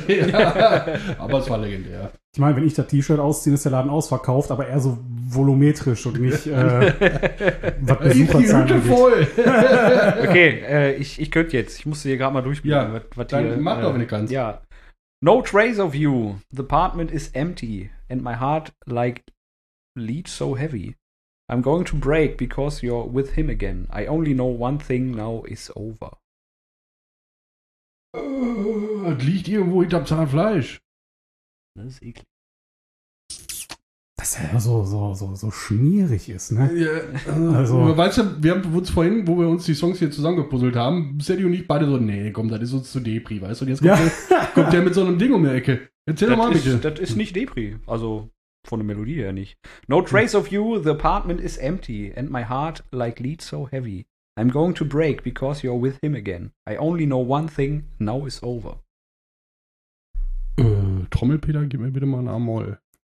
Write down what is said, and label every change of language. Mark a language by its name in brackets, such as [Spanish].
[German] Ja, aber es war legendär. Ich meine, wenn ich das T-Shirt ausziehe, ist der Laden ausverkauft, aber eher so volumetrisch und nicht was Besucherzahlen angeht. Die Hütte voll! Okay, ich könnte jetzt. Ich musste hier gerade mal durchspielen. Ja, dann mach doch, wenn du kannst. [English] Ja. No trace of you. The apartment is empty. And my heart like lead so heavy. I'm going to break because you're with him again. I only know one thing now is over. [German] Liegt irgendwo hinterm Zahnfleisch. Das ist eklig. Das Was ja so schmierig ist, ne? Ja, also. Weißt du, wir haben uns vorhin, wo wir uns die Songs hier zusammengepuzzelt haben, Sadie und ich beide so, nee, komm, das ist uns zu Depri, weißt du? Und jetzt kommt, kommt der mit so einem Ding um die Ecke. Erzähl doch mal, bitte. Das ist nicht Depri, also von der Melodie her nicht. [English] No trace of you, the apartment is empty, and my heart like lead so heavy. I'm going to break, because you're with him again. I only know one thing, now is over. [German] Trommelpeter, gib mir bitte mal einen A-Moll.